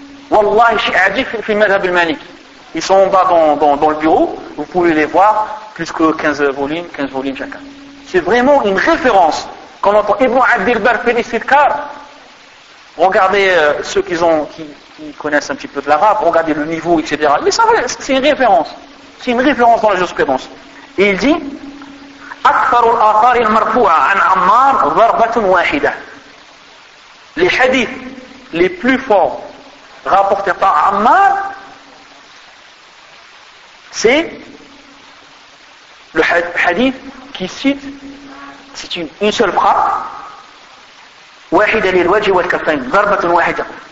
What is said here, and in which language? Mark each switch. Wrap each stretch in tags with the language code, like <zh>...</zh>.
<fr>Wallahi, je suis Ajib fi Madhab al-Malik. Ils sont en bas dans le bureau, vous pouvez les voir, plus que 15 volumes chacun. C'est vraiment une référence. Quand on entend Ibn Abd al-Barr fi al-Istidkar, regardez ceux qui connaissent un petit peu de l'arabe, regardez le niveau, etc. Mais ça, c'est une référence. C'est une référence dans la jurisprudence. Et il dit</fr> <ar>أكثر الآثار المرفوعة عن عمار ضربة واحدة.</ar> <fr>Les hadiths les plus forts rapportés par Ammar, c'est le hadith qui cite, c'est une seule phrase,</fr> <ar>واحدة للوجه والكفين, ضربة واحدة.</ar>